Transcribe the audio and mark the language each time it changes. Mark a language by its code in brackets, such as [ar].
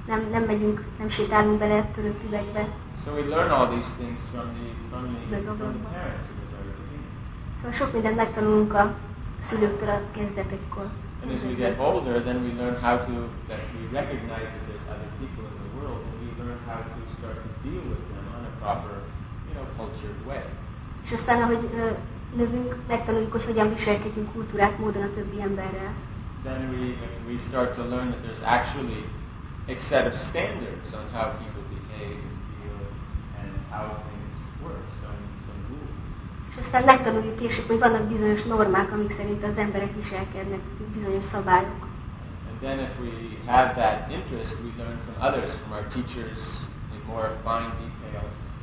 [hu] Nem megyünk, nem sétálunk bele törött üvegbe. [en] So we learn all these things from the parents. [hu] Szóval sok mindent megtanulunk a szülőktől a kezdetekkor. [en] And as we get older, then we learn how to, that we recognize that there's other people in the world, and we learn how to start to deal with them on a proper, cultured way. [hu] És aztán, ahogy növünk, megtanuljuk, hogy hogyan viselkedjünk kultúrát módon a többi emberrel. [en] Then we start to learn that there's actually a set of standards on how people behave and feel and how things work, some rules. [hu] És aztán megtanuljuk később, hogy vannak bizonyos normák, amik szerint az emberek viselkednek, bizonyos szabályok. [en] And then if we have that interest, we learn from others, from our teachers, in more fine details.